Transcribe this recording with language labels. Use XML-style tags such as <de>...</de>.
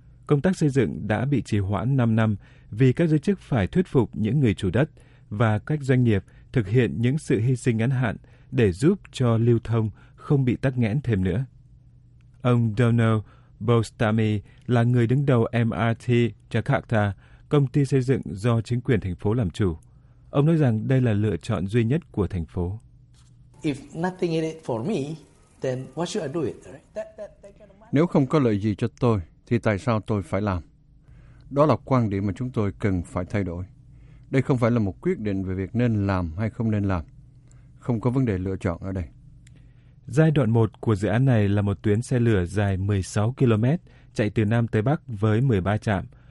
<vi>Công tác xây dựng đã bị trì hoãn 5 năm vì các giới chức phải thuyết phục những người chủ đất và các doanh nghiệp thực hiện những sự hy sinh ngắn hạn để giúp cho lưu thông không bị tắc nghẽn thêm nữa. Ông Donald Bostami là người đứng đầu MRT Jakarta, công ty xây dựng do chính quyền thành phố làm chủ. Ông nói rằng đây là lựa chọn duy nhất của thành phố.</vi> <en>If nothing in it for me, then what should I do it?</en> <vi>Nếu không có lợi gì cho tôi, thì tại sao tôi phải làm? Đó là quan điểm mà chúng tôi cần phải thay đổi. Đây không phải là một quyết định về việc nên làm hay không nên làm. Không có vấn đề lựa chọn ở đây. Giai đoạn 1 của dự án này là một tuyến xe lửa dài 16 km, chạy từ Nam tới Bắc với 13 trạm.</vi>